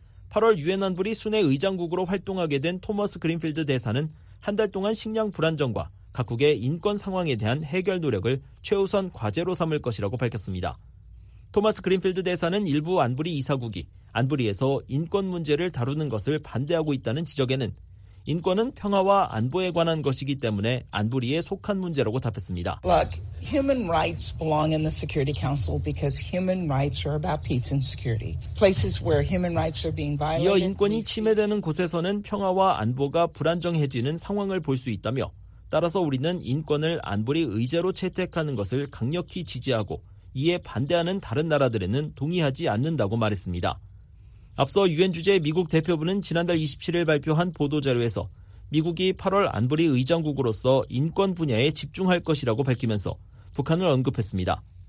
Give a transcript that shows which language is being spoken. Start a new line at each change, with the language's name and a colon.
Korean: 8월 유엔 안보리 순회 의장국으로 활동하게 된 토마스 그린필드 대사는 한 달 동안 식량 불안정과 각국의 인권 상황에 대한 해결 노력을 최우선 과제로 삼을 것이라고 밝혔습니다. 토마스 그린필드 대사는 일부 안보리 이사국이 안보리에서 인권 문제를 다루는 것을 반대하고 있다는 지적에는 인권은 평화와 안보에 관한 것이기 때문에 안보리에 속한 문제라고 답했습니다.
English: Look, human rights belong in the Security Council because human rights are about peace and security. Places where human rights are being violated.
Korean: 이어 인권이 침해되는 곳에서는 평화와 안보가 불안정해지는 상황을 볼 수 있다며 따라서 우리는 인권을 안보리 의제로 채택하는 것을 강력히 지지하고 이에 반대하는 다른 나라들에는 동의하지 않는다고 말했습니다. 앞서 유엔 주재 미국 대표부는 지난달 27일 발표한 보도자료에서 미국이 8월 안보리 의장국으로서 인권 분야에 집중할 것이라고 밝히면서 북한을 언급했습니다.